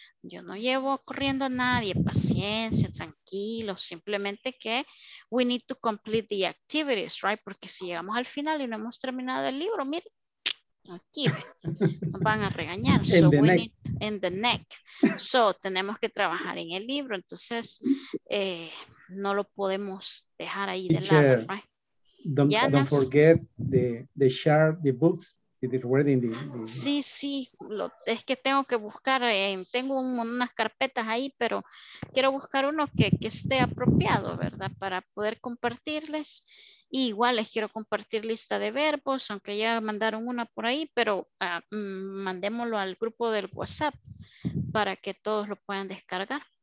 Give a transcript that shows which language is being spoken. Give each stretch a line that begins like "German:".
Spanish: Yo no llevo corriendo a nadie, paciencia, tranquilo, simplemente que
English: we need to complete the activities,
Spanish: right? Porque si llegamos al final y no hemos terminado el libro, mire, aquí nos van a regañar. So
English: we need in the neck.
Spanish: So tenemos que trabajar en el libro, entonces no lo podemos dejar ahí de lado, right?
English: Don't forget the share the books if it's reading the...
Spanish: Sí, lo, es que tengo que buscar, tengo unas carpetas ahí, pero quiero buscar uno que esté apropiado, ¿verdad? Para poder compartirles. Y igual les quiero compartir lista de verbos, aunque ya mandaron una por ahí, pero mandémoslo al grupo del WhatsApp para que todos lo puedan descargar.